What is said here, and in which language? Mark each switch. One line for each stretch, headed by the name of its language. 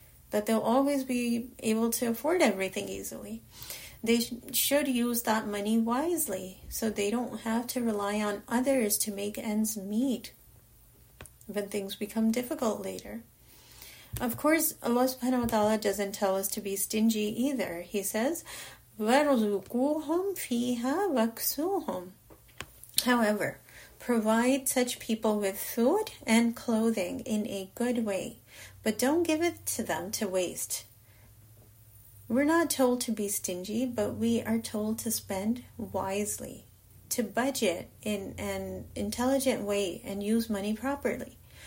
English: That they'll always be able to afford everything easily. They should use that money wisely so they don't have to rely on others to make ends meet when things become difficult later. Of course, Allah subhanahu wa ta'ala doesn't tell us to be stingy either.
Arabic: He says, وَرْزُقُوهُمْ فِيهَا وَكْسُوهُمْ.
English: However, provide such people with food and clothing in a good way. But don't give it to them to waste. We're not told to be stingy, but we are told to spend wisely, to budget in an intelligent way and use money properly.